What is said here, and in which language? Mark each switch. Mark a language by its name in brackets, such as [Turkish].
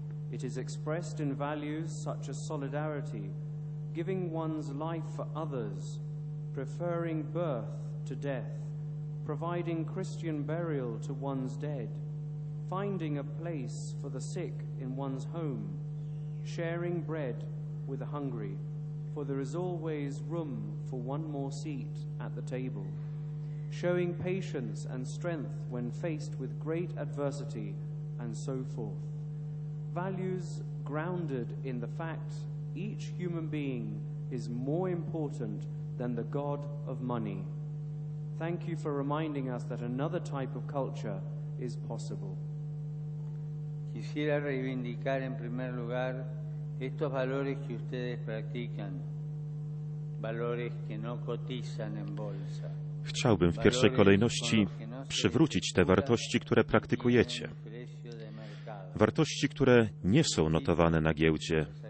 [English] It is expressed in values such as solidarity, giving one's life for others, preferring birth to death, providing Christian burial to one's dead, finding a place for the sick in one's home, sharing bread with the hungry, for there is always room for one more seat at the table, showing patience and strength when faced with great adversity, and so forth. Values grounded in the fact each human being is more important than the god of money. Thank you for reminding us that another type of culture is possible. [Spanish] Quisiera reivindicar en primer lugar estos valores que ustedes practican, valores que no cotizan en bolsa. [Polish] Chciałbym w pierwszej kolejności przywrócić te wartości, które praktykujecie. Wartości, które nie są notowane na giełdzie.